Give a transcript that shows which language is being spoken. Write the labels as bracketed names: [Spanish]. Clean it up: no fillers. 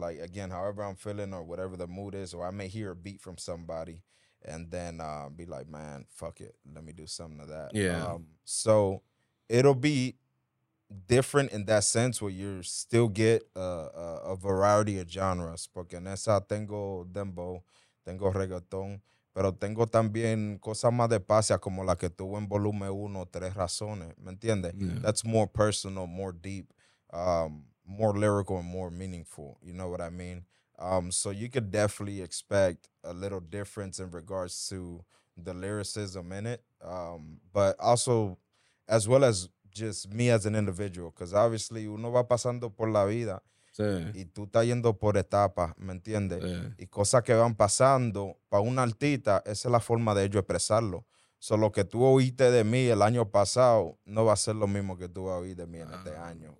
[English] Like, again, however I'm feeling or whatever the mood is, or I may hear a beat from somebody and then be like, man, fuck it. Let me do something of that. Yeah. So it'll be different in that sense where you still get a variety of genres. [Spanish] Porque en esa tengo dembow, tengo reggaeton, pero tengo también cosas más de pasia como la que tuvo en volumen uno, tres razones. ¿Me entiendes? [English] Yeah. That's more personal, more deep. More lyrical and more meaningful, you know what I mean? So you could definitely expect a little difference in regards to the lyricism in it, but also as well as just me as an individual, because obviously [Spanish] uno va pasando por la vida sí. Y tú estás yendo por etapas, ¿me entiendes? Sí. Y cosas que van pasando, para un artista, esa es la forma de ellos expresarlo. So lo que tú oíste de mí el año pasado no va a ser lo mismo que tú vas a oír de mí en este año.